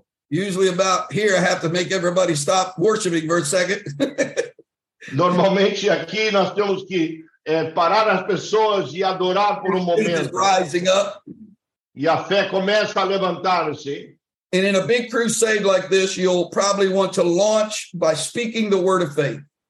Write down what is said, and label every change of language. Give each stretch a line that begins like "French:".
English: Usually about here I have to make everybody stop worshiping for a second.
Portuguese: Normalmente aqui nós temos que parar as pessoas e adorar por momento.
English: Faith is rising up.
Portuguese: E a fé começa a levantar-se.
English: And in a big crusade like this, you'll probably want to launch by speaking the word of faith.